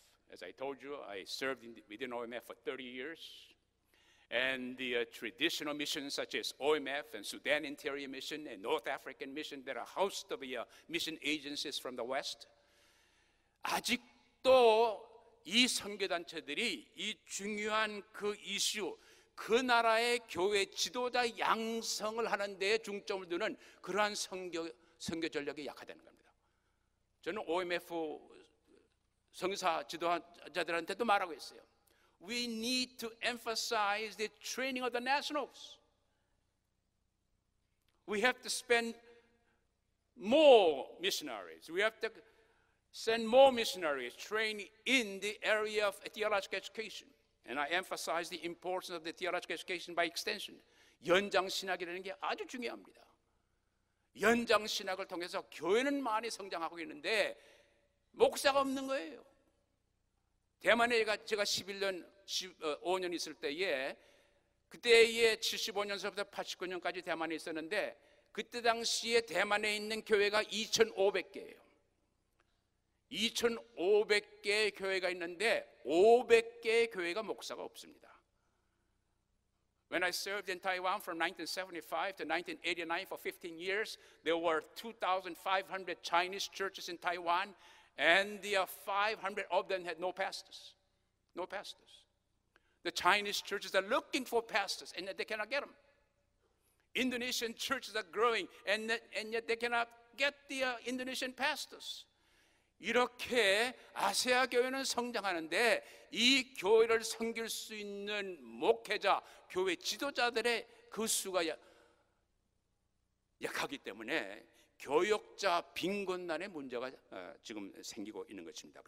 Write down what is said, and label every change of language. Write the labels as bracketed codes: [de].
[en] As I told you, I served within OMF for 30 years. And the traditional missions such as OMF and Sudan Interior Mission and North African Mission that are housed of mission agencies from the West. [ko] 아직도 이 선교단체들이 이 중요한 그 이슈, 그 나라의 교회 지도자 양성을 하는 데에 중점을 두는 그러한 선교 전략이 약화되는 겁니다. 저는 OMF 선교사 지도자들한테도 말하고 있어요. [en] We need to emphasize the training of the nationals. We have to spend more missionaries. We have to send more missionaries trained in the area of theological education. And I emphasize the importance of the theological education by extension. [ko] 연장신학이라는 게 아주 중요합니다. 연장신학을 통해서 교회는 많이 성장하고 있는데 목사가 없는 거예요. 대만에 제가 11년, 5년 있을 때에 그때에 75년서부터 89년까지 대만에 있었는데 그때 당시에 대만에 있는 교회가 2,500개예요. 2,500개의 교회가 있는데 500개의 교회가 목사가 없습니다. [en] When I served in Taiwan from 1975 to 1989 for 15 years, there were 2,500 Chinese churches in Taiwan and there are 500 of them had no pastors. No pastors. The Chinese churches are looking for pastors and yet they cannot get them. Indonesian churches are growing and yet they cannot get the Indonesian pastors. [ko] 이렇게 아세아 교회는 성장하는데 이 교회를 섬길 수 있는 목회자, 교회 지도자들의 그 수가 약하기 때문에 교역자 빈곤난의 문제가 지금 생기고 있는 것입니다.